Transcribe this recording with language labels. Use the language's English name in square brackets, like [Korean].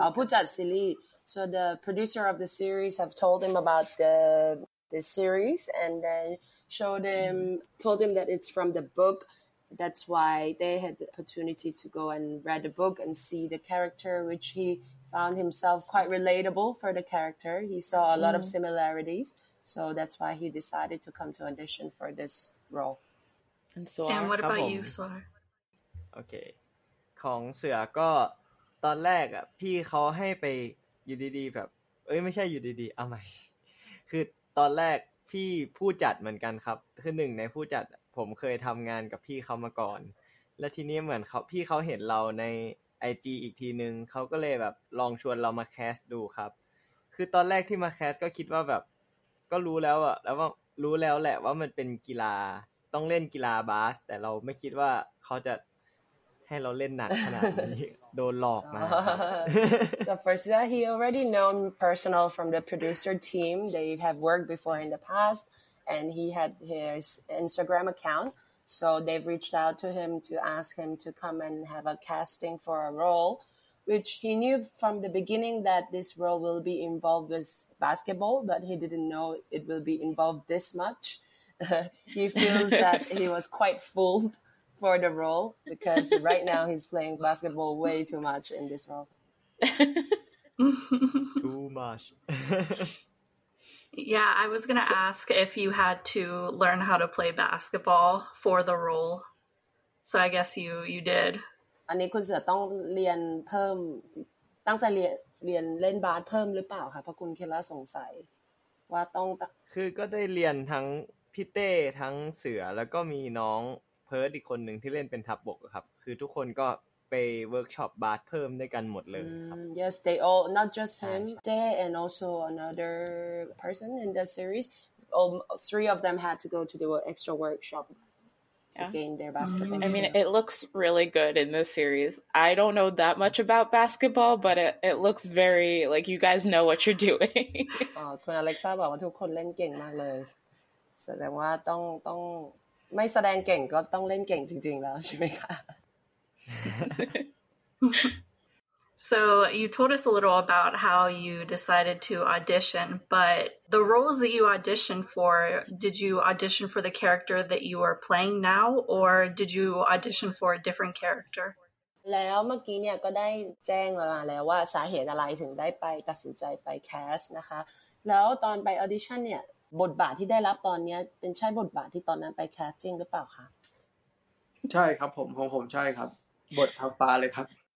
[English] ผู้จัดซีรีส์ so the producer of the series have told him about the series and then showed him told him that it's from the book that's why they had the opportunity to go and read the book and see the character which heFound himself quite relatable for the character. He saw a lot of similarities, so that's why he decided to come to audition for this role. And so, and what about you, Soar? [Thai] Okay, ของเสือก็ตอนแรกอ่ะพี่เขาให้ไปอยู่ดีๆแบบเอ้ยไม่ใช่อยู่ดีๆเอาใหม่คือตอนแรกพี่ผู้จัดเหมือนกันครับคือหนึ่งในผู้จัดผมเคยทำงานกับพี่เขามาก่อนและทีนี้เหมือนเขาพี่เขาเห็นเราในIG อีกทีนึงเขาก็เลยแบบลองชวนเรามาแคสดูครับคือตอนแรกที่มาแคสก็คิดว่าแบบก็รู้แล้วอะแล้วว่ารู้แล้วแหละว่ามันเป็นกีฬาต้องเล่นกีฬาบาสแต่เราไม่คิดว่าเขาจะ ให้เราเล่นหนักขนาดนี้โดนหลอกมา [English] So first of all, he already known personal from the producer team. They have worked before in the past, and he had his Instagram account. So they've reached out to him to ask him to come and have a casting for a role, which he knew from the beginning that this role will be involved with basketball, but he didn't know it will be involved this much. He feels that he was quite fooled for the role because right now he's playing basketball way too much in this role. Too much. Yeah, I was going to ask if you had to learn how to play basketball for the role. So I guess you did. [Thai] อันนี้คุณเสือต้องเรียนเพิ่มตั้งใจเรียนเล่นบาสเพิ่มหรือเปล่าคะเพราะคุณเคล่าสงสัยว่าต้อง คือก็ได้เรียนทั้งพี่เต้ทั้งเสือแล้วก็มีน้องเพิร์ทอีกคนหนึ่งที่เล่นเป็นทับบกครับคือทุกคนก็ไปเวิร์กช็อปบาสเพิ่มด้วยกันหมดเลยครับ [English] Yes they all not just him they and also another person in the series all three of them had to go to the extra workshop to gain their basketball I mean it looks really good in this series I don't know that much about basketball but it looks very like you guys know what you're doing [Thai] คุณอเล็กซ่าบอกว่าทุกคนเล่นเก่งมากเลยแสดงว่าต้องไม่แสดงเก่งก็ต้องเล่นเก่งจริงๆแล้วใช่ไหมคะ [English] So you told us a little about how you decided to audition, but the roles that you auditioned for, did you audition for the character that you are playing now, or did you audition for a different character? [Thai] แล้วเมื่อกี้เนี่ยก็ได้แจ้งมาแล้วว่าสาเหตุอะไรถึงได้ไปตัดสินใจไปแคสนะคะแล้วตอนไปออดิชั่นเนี่ยบทบาทที่ได้รับตอนนี้เป็นใช่บทบาทที่ตอนนั้นไปแคสจริงหรือเปล่าคะ ใช่ครับผมของผมใช่ครับบทท้าฟ้าเลยครับ